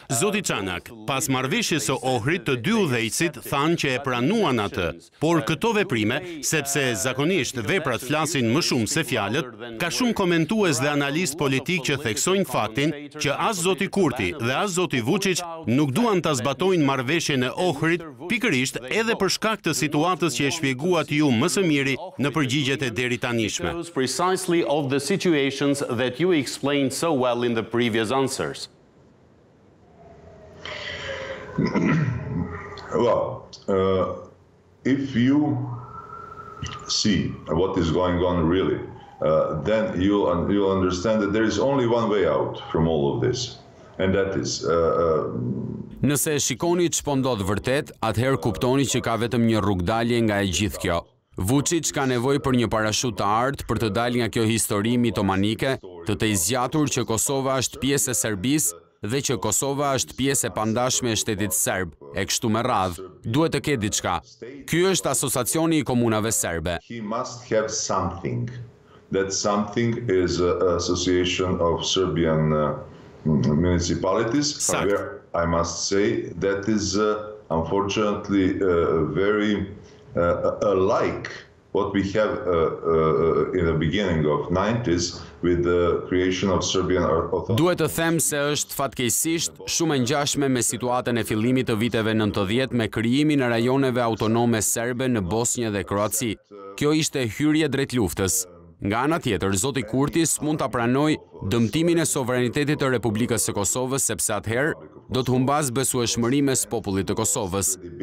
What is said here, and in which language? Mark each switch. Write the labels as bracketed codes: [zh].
[sq] Zoti Çanak, pas marveshje së Ohrid të dy udhejcit, thanë që e pranuan atë, por këto veprime, sepse zakonisht veprat flasin më shumë se fjalët, ka shumë komentues dhe analist politik që theksojnë faktin që as zoti Kurti dhe as zoti Vučić nuk duan të zbatojnë marveshje në Ohrid, pikërisht edhe për shkak të situatës që e shpjeguat ju më së miri në përgjigjet e deri tanishme. [en] Precisely of the situations that you explained so well in the previous answers. Well, if you see what is going on really, then you'll understand that there is only one way out from all of this. And that is [sq] nëse e shikoni ç'po ndodh vërtet, atëherë kuptoni që ka vetëm një rrugdalje nga e gjithë kjo. Vučić ka nevojë për një parashut të artë për të dalë nga kjo histori mitomanike, të tej zgjatur që Kosova është pjesë e Serbisë dhe që Kosova është pjesë e pandashme e shtetit serb, e kështu me radhë. Duhet të ketë diçka. Ky është asociacioni i komunave serbe. [en] He must have something. That something is an association of Serbian municipalities. However, I must say that is unfortunately very alike what we have in the beginning of 90s with the creation of Serbian authority. [sq] Duhet të them se është fatkeqësisht shumë e ngjashme me situatën e fillimit të viteve 90 me krijimin e rajoneve autonome serbe në Bosnjë dhe Kroaci. Kjo ishte hyrje drejt luftës. Nga ana tjetër, Zoti Kurtis mund të pranoj dëmtimin e sovranitetit të Republikës së Kosovës, sepse atëherë do të humbas besueshmëri mes popullit të Kosovës.